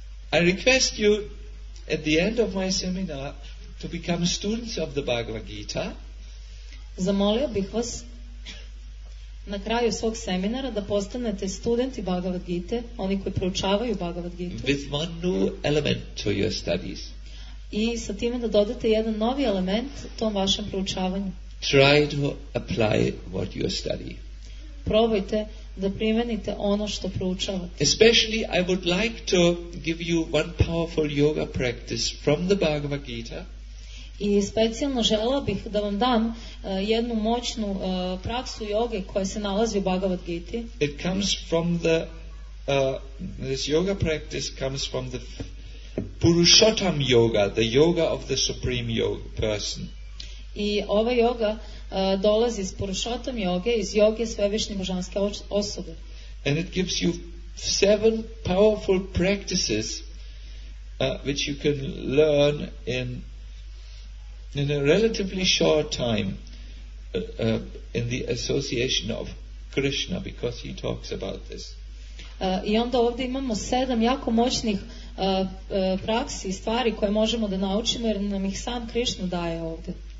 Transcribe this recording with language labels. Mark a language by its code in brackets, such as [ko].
[en] I request you at the end of my seminar to become students of the Bhagavad Gita. [sr] Замолио бих вас на крају свог семинара да постанете студенти Бхагавад Гите, они који проучавају Бхагавад Гиту. [en] With one new element to your studies. [sr] И со тиме да додате еден нови елемент том вашем проучавању. [en] Try to apply what you study. [sr] Пробајте да примените оно што проучавате. [en] Especially I would like to give you one powerful yoga practice from the Bhagavad Gita. [sr] И специјално желео бих да вам дам једну моћну праксу йоге која се налази у Бхагавад Гити. [en] It comes from the this yoga practice comes from the Purushottam yoga, the yoga of the supreme yoga person. [sr] И ова йога долази из Purushottam йоге, из йоге свевишње божанске особе. [en] And it gives you seven powerful practices which you can learn in a relatively short time in the association of Krishna, because he talks about this. [sr] I onda ovdje imamo sedam jako moćnih praksi i stvari koje možemo da naučimo jer nam ih sam Krishna daje ovdje.